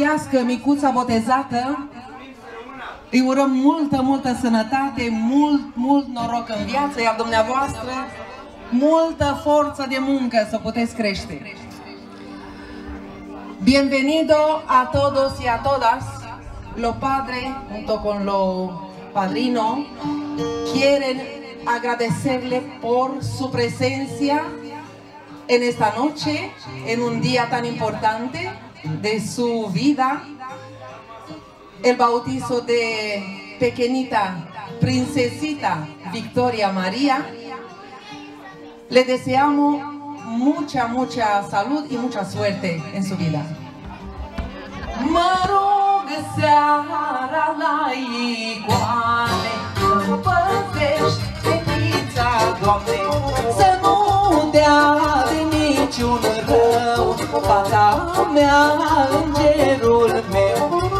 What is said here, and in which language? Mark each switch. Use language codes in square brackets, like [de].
[ro] că micuța botezată îi urăm multă, multă sănătate, mult, mult noroc în viață, iar dumneavoastră multă forță de muncă să puteți crește. [es] Bienvenido a todos y a todas. Lo padre junto con lo padrino quieren agradecerle por su presencia en esta noche, en un día tan importante de su vida, el bautizo de pequeñita princesita Victoria María. Le deseamos mucha, mucha salud y mucha suerte en su vida. [ro] Mă rog seara la icoane, nu păzești fetița, Doamne, să nu dea de niciun rău fața mea, îngerul meu.